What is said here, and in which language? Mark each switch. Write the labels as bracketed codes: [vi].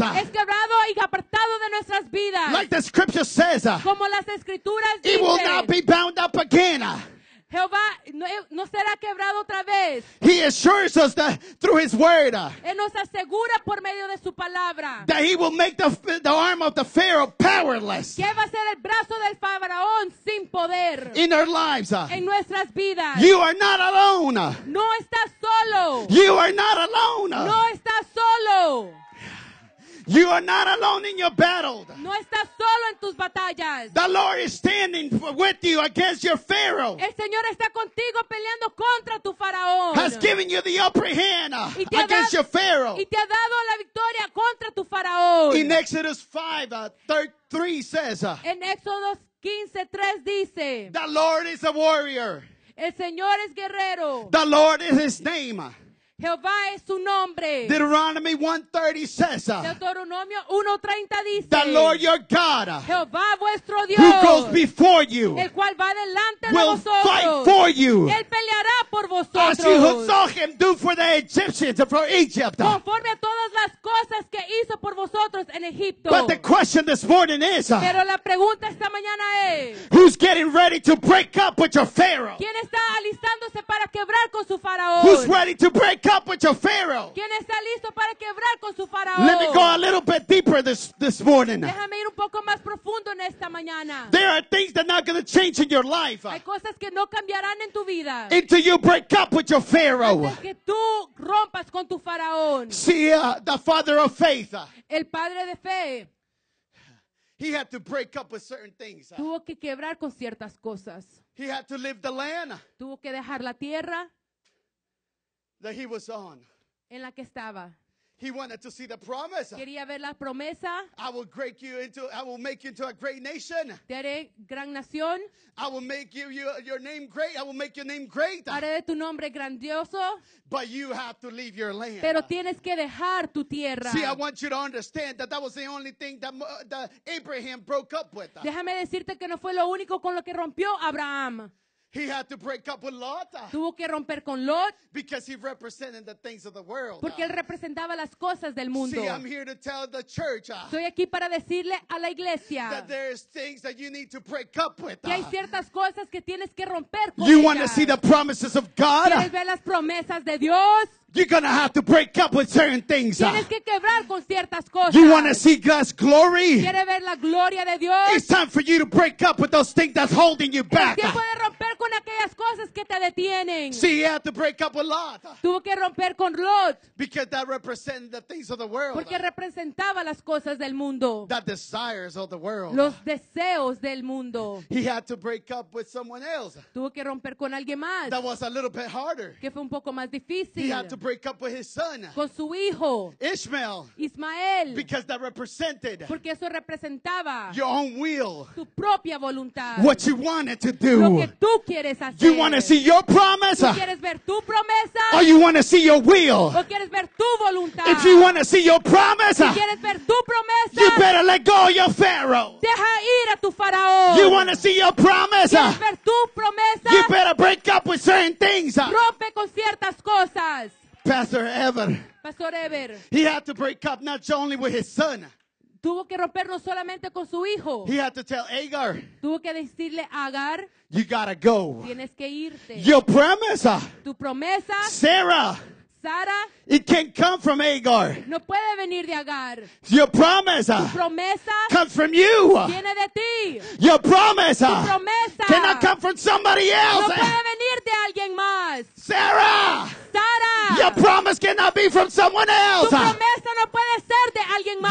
[es] Es quebrado y apartado de nuestras vidas. [en] Like the scripture says. [es] Como las escrituras dicen. [en] It will not be bound up again. [es] Jehová no será quebrado otra vez. [en] He assures us that through his word. [es] Él nos asegura por medio de su palabra. [en] That he will make the arm of the Pharaoh powerless. [es] Que va a ser el brazo del faraón sin poder. [en] In our lives. [es] En nuestras vidas. [en] You are not alone. [es] No estás solo. [en] You are not alone. [es] No estás solo. [en] You are not alone in your battle. [es] No estás solo en tus batallas. [en] The Lord is standing with you against your Pharaoh. [es] El Señor está contigo peleando contra tu faraón. [en] Has given you the upper hand against your Pharaoh. [es] Y te ha dado la victoria contra tu faraón. [en] In Exodus 5, 3 says. [es] En Éxodos 15, 3 dice. [en] The Lord is a warrior. [es] El Señor es guerrero. [en] The Lord is his name. [es] Jehová es su nombre. [en] Deuteronomy 1:30 says. [es] Deuteronomio 1:30 dice. [en] The Lord your God. [es] Jehová vuestro Dios. [en] Who goes before you. [es] El cual va delante de vosotros. [en] Will fight for you. [es] Él peleará por vosotros. [en] As you saw him do for the Egyptians and for Egypt. [es] Conforme a todas las cosas que hizo por vosotros en Egipto. [en] But the question this morning is. [es] Pero la pregunta esta mañana es. [en] Who's getting ready to break up with your Pharaoh? [es] ¿Quién está alistándose para quebrar con su faraón? [en] Who's ready to break up with your Pharaoh? [es] ¿Quién está listo para quebrar con su faraón? [en] Let me go a little bit deeper this morning. [es] Déjame ir un poco más profundo en esta mañana. [en] There are things that are not going to change in your life. [es] Hay cosas que no cambiarán en tu vida. [en] Until you break up with your Pharaoh. [es] Antes que tú rompas con tu faraón. [en] See, the father of faith. [es] El padre de fe. [en] He had to break up with certain things. [es] Tuvo que quebrar con ciertas cosas. [en] He had to leave the land. [es] Tuvo que dejar la tierra. [en] That he was on. [es] En la que estaba. [en] He wanted to see the promise. [es] Quería ver la promesa. [en] I will make you into a great nation. [es] Te haré gran nación. [en] I will make your name great. I will make your name great. [es] Haré de tu nombre grandioso. [en] But you have to leave your land. [es] Pero tienes que dejar tu tierra. [en] See, I want you to understand that was the only thing that Abraham broke up with. [es] Déjame decirte que no fue lo único con lo que rompió Abraham. [en] He had to break up with Lot. [es] Tuvo que romper con Lot. [en] Because he represented the things of the world. [es] Porque él representaba las cosas del mundo. [en] See, I'm here to tell the church. [es] Estoy aquí para decirle a la iglesia. [en] That there is things that you need to break up with. [es] Que hay ciertas cosas que tienes que romper con ellas. [en] You want to see the promises of God? [es] ¿Quieres ver las promesas de Dios? [en] You're going to have to break up with certain things. [es] Tienes que quebrar con ciertas cosas. [en] You want to see God's glory? [es] ¿Quieres ver la gloria de Dios? [en] It's time for you to break up with those things that's holding you back. [es] Es tiempo de romper con aquellas cosas que te detienen. [en] See, you have to break up with Lot. [es] Tuvo que romper con Lot. [en] Because that represented the things of the world. [es] Porque representaba las cosas del mundo. [en] The desires of the world. [es] Los deseos del mundo. [en] He had to break up with someone else. [es] Tuvo que romper con alguien más. [en] That was a little bit harder. [es] Que fue un poco más difícil. [en] He had to break up with his son. [es] Con su hijo. [en] Ishmael. Because that represented. [es] Porque eso representaba. [en] Your own will. [es] Tu propia voluntad. [en] What you wanted to do. [es] Lo que tú quieres hacer. [en] You want to see your promise. [es] ¿Tú quieres ver tu promesa? [en] Or you want to see your will. [es] ¿O quieres ver tu voluntad? [en] If you want to see your promise. [es] ¿Tú quieres ver tu promesa? [en] You better let go of your Pharaoh. [es] Deja ir a tu faraón. [en] You want to see your promise. [es] ¿Quieres ver tu promesa? [en] You better break up with certain things. [es] Rompe con ciertas cosas. [en] Pastor Ever. He had to break up not only with his son. [es] Tuvo que romper no solamente con su hijo. [en] He had to tell Agar. [es] Tuvo que decirle a Agar. [en] You gotta go. [es] Tienes que irte. [en] Your promise. [es] Tu promesa. [en] Sarah. [es] Sara. [en] It can't come from Agar. [es] No puede venir de Agar. [en] Your promise. [es] Tu promesa. [en] Comes from you. [es] Viene de ti. [en] Your promise. [es] Tu promesa. [en] Cannot come from somebody else. [es] No puede venir de alguien más. [en] Sarah. [es] Sara. [en] Your promise cannot be from someone else. [es] Tu promesa no puede ser de alguien más.